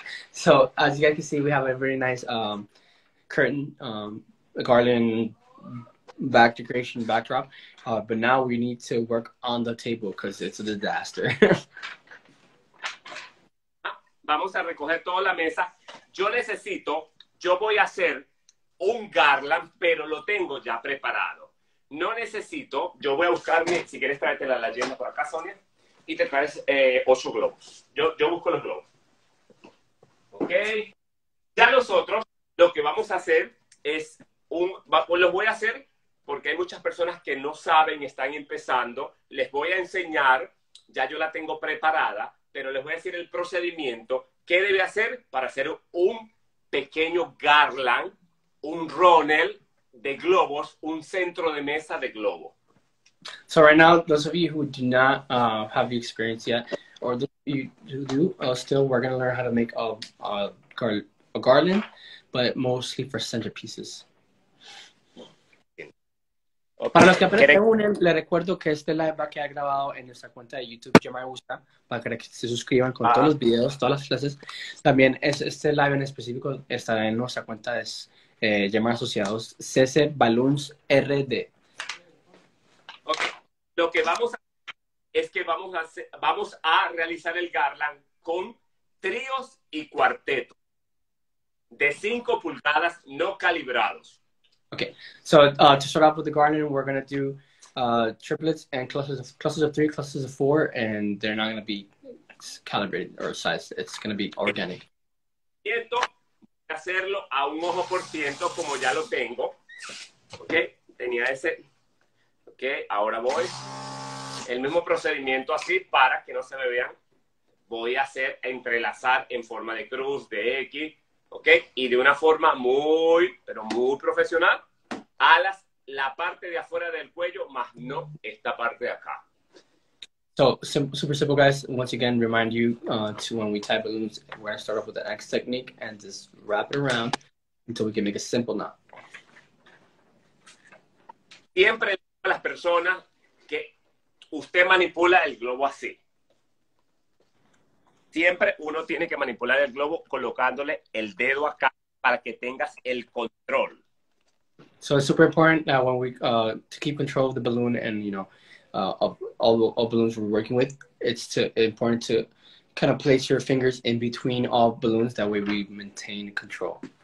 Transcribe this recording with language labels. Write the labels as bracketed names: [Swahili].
[English] So, as you guys can see, we have a very nice curtain, garland back decoration backdrop, but now we need to work on the table because it's a disaster. [Spanish] Vamos a recoger toda la mesa. Yo voy a hacer un garland, pero lo tengo ya preparado. No necesito, yo voy a buscarme, si quieres traerte la leyenda por acá, Sonia, y te traes 8 globos. Yo busco los globos. Ok. Ya nosotros, lo que vamos a hacer es los voy a hacer, porque hay muchas personas que no saben, están empezando, les voy a enseñar, ya yo la tengo preparada, pero les voy a decir el procedimiento, qué debe hacer para hacer un pequeño garland, un Ronel de globos, un centro de mesa de globo. [English] So right now, those of you who do not have the experience yet, or those of you who do, still we're going to learn how to make a garland, but mostly for centerpieces. Okay. [Spanish] Para los que apenas se unen, le recuerdo que este live va a quedar grabado en nuestra cuenta de YouTube, Gemma y Gusta, para que se suscriban con todos los videos, todas las clases. También este live en específico estará en nuestra cuenta de Gemma Asociados, CC Balloons RD. Okay. Lo que vamos a hacer es que vamos a realizar el garland con tríos y cuartetos de 5 pulgadas no calibrados. [English] Okay, so to start off with the garden, we're going to do triplets and clusters of three, clusters of four, and they're not going to be calibrated or sized. It's going to be organic. [Spanish] Esto voy a hacerlo a un ojo por ciento como ya lo tengo. Okay, tenía ese. Okay, ahora voy. El mismo procedimiento así para que no se me vean. Voy a hacer entrelazar en forma de cruz, de X. Okay, y de una forma muy, pero muy profesional, alas la parte de afuera del cuello, más no esta parte de acá. [English] So, super simple, guys. Once again, remind you to when we tie balloons, we're going to start off with the X technique and just wrap it around until we can make a simple knot. [Spanish] Siempre le digo a las personas que usted manipula el globo así. Siempre uno tiene que manipular el globo colocándole el dedo acá para que tengas el control. [English] So it's super important that when we to keep control of the balloon and you know all balloons we're working with, it's to important to kind of place your fingers in between all balloons, that way we maintain control.